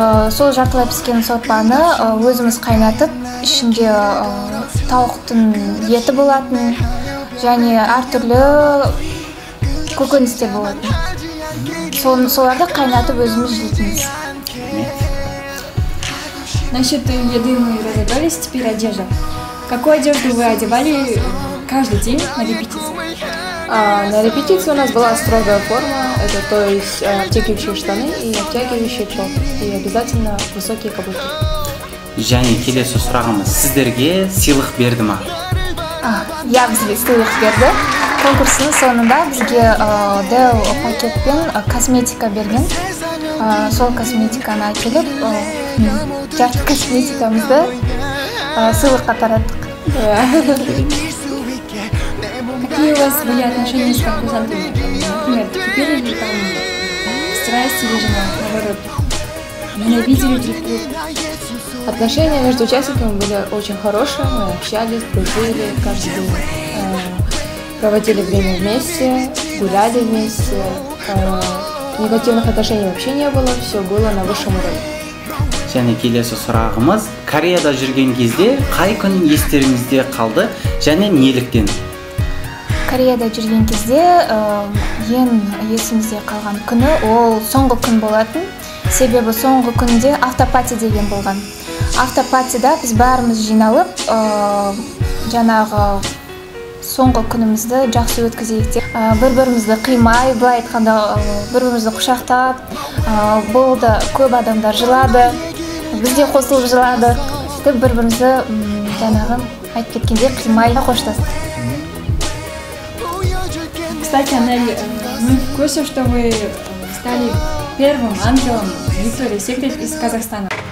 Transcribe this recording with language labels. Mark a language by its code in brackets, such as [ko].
[kk] Сол жартылай піскен сорпаны өзіміз қайнатып, ішінде тауықтың еті болатын, және әртүрлі көкөністе болатын. Соларды қайнатып өзіміз жейтіміз. [ru] Насчет еды мы разобрались, теперь одежда. Какую одежду вы одевали каждый день на репетиции? На репетиции у нас была строгая форма, это то есть обтягивающие штаны и обтягивающие чулки и обязательно высокие каблуки. [kk] Жане, келесі сұрағымыз, сіздерге сыйлық берді ма? Я бізге сыйлық берді. Конкурсының соңында бізге Дэл пакетпен косметика берген. Сол косметиканы әкеліп, жарты косметикамызды сыйлыққа тараттық. [ru] Какие у вас были отношения с конкурсантами? Например, теперь или там страсти или же наоборот? Ненавидели друг отношения между участниками были очень хорошие, мы общались, дружили, каждый день проводили время вместе, гуляли вместе. Негативных отношений вообще не было, все было на высшем уровне. [kk] Және келесі сұрағымыз, Кореяда жүрген кезде қай күн естеріңізде қалды және неліктен? Кореяда жүрген кезде ең есімізде қалған күні ол соңғы күн болатын. Себебі соңғы күнде автопати деген болған. Автопатида біз бәріміз жиналып, жаңағы соңғы күнімізді жақсы өткізейік деп. Бір-бірімізді қимай, былай айтқанда бір-бірімізді құшақтап, болды көп адамдар жылады, бізде қосылып жылады. Деп бір-бірімізді жаңағы айтып кеткенде қимай қоштасты. [ru] Кстати, Анель, мы в курсе, что вы стали первым ангелом Виктория Секрет из Казахстана.